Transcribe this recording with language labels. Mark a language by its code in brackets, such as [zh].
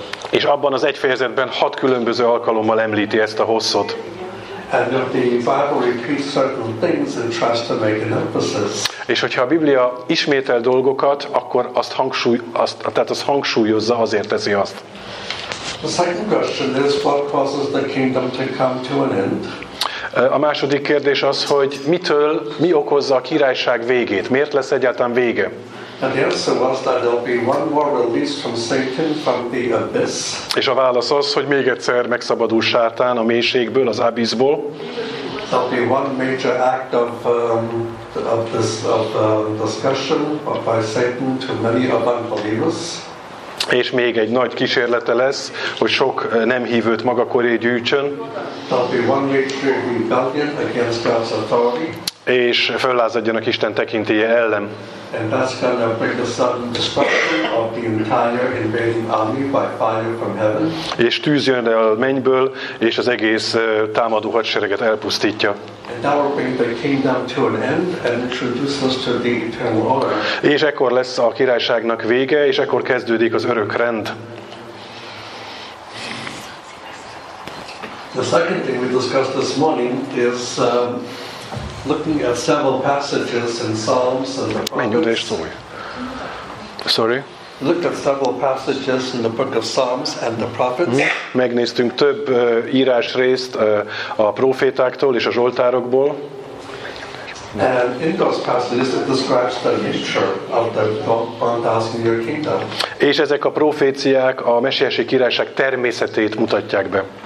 [hu] És abban az egy fejezetben 6 különböző alkalommal említi ezt a hosszot. [en] And if the Bible repeats certain things and tries to make an emphasis. [hu] És hogyha a Biblia ismétel dolgokat, akkor azt hangsúlyozza, azért teszi azt. [en] The second question is what causes the kingdom to come to an end? [hu] A második kérdés az, hogy mi okozza a királyság végét? Miért lesz egyáltalán vége? [en] And the answer was that there'll be one more release from Satan from the abyss. [hu] És a válasz az, hogy még egyszer megszabadul Sátán a mélységből, az abyszból. [en] There'll be one major act of discussion by Satan to many of unbelievers. [hu] És még egy nagy kísérlete lesz, hogy sok nem hívőt maga köré gyűjtsön. [en] There'll be one major rebellion against God's authority. [hu] És föllázadjanak Isten tekintélye ellen. [en] And that's going to bring a sudden destruction of the entire invading army by fire from heaven. [hu] És tűz jön le a mennyből, és az egész támadó hadsereget elpusztítja. [en] And that will bring the kingdom to an end and introduce us to the eternal order. [hu] És ekkor lesz a királyságnak vége, és ekkor kezdődik az örök rend. [en] The second thing we discussed this morning is looking at several passages in Psalms and the Prophets. [hu] Megnéztünk több írásrészt a prófétáktól és a zsoltárokból. [en] And in those passages it describes the nature of the 1,000-year kingdom. [hu] És ezek a proféciák a mesiási királyság természetét mutatják be.